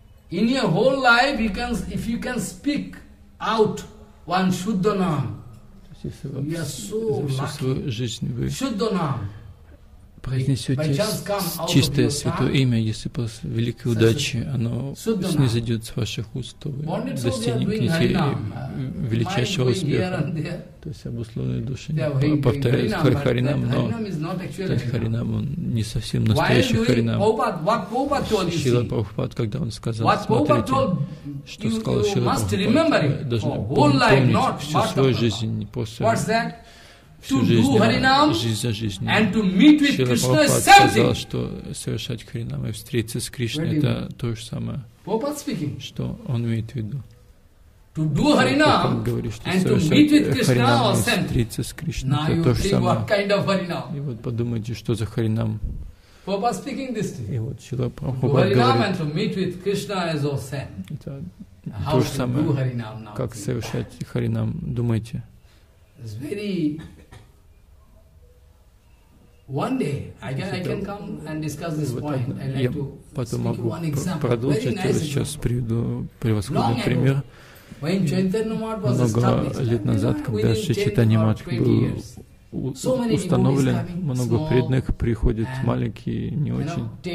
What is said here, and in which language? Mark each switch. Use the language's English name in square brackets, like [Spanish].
[English] In your whole life, you can, if you can speak out one Shuddha Nam, you are so lucky. Shuddha Nam. [Russian] Произнесете чистое святое имя, если после великой удачи оно снизойдет с ваших уст, то вы достигнете величайшего успеха. То есть обусловленные души повторяют Харинам, но Харинам не совсем настоящий Харинам. Шрила Прабхупад, когда он сказал, смотрите, что сказал Шрила Прабхупад, должны помнить всю свою жизнь после... [English] To do Harinam [Russian] жизнь [English] and to meet with Шрила Прабхупад Кришна is [Russian] сказал, что совершать Харинам и встретиться с Кришной это то же самое, что он имеет в виду. [English] To do Харинам and to meet with Кришна or [Russian] встретиться с Кришной это то же самое. [English] Kind of Harinam. [Russian] И вот подумайте, что за Харинам. [English] Попа speaking this thing. [Russian] И вот Шрила Прабхупад говорит. [English] And to meet with Krishna is all same. [Russian] Это то же самое. Как совершать Харинам, думайте. [English] It's very... One day, I can come and discuss this point. I'd like to speak one example. Very nice example. [Russian] Приведу превосходный пример. Много лет назад, когда Шри Чайтанья Махапрабху был установлен, много преданных приходят, маленькие, не очень.